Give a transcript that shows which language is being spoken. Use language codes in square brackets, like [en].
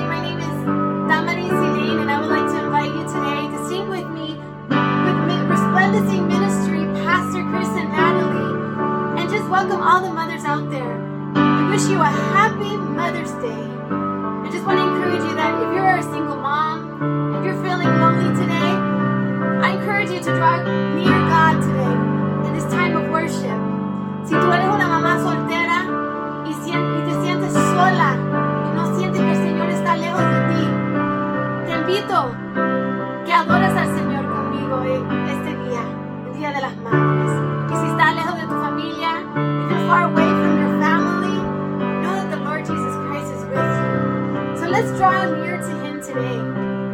[en] My name is Damaris Elaine, and I would like to invite you today to sing with me with Resplendency Ministry, Pastor Chris and Natalie, and just welcome all the mothers out there. We wish you a happy Mother's Day. I just want to encourage you that if you're a single mom, if you're feeling lonely today, I encourage you to draw near God today in this time of worship. [es] Si tú eres una mamá soltera y te sientes sola y no sientes que el Señor está lejos de ti, te invito que adores al Señor conmigo este día, el Día de las Madres. Y si está lejos de tu familia, [en] if you're far away from your family, know that the Lord Jesus Christ is with you. So let's draw near to Him today.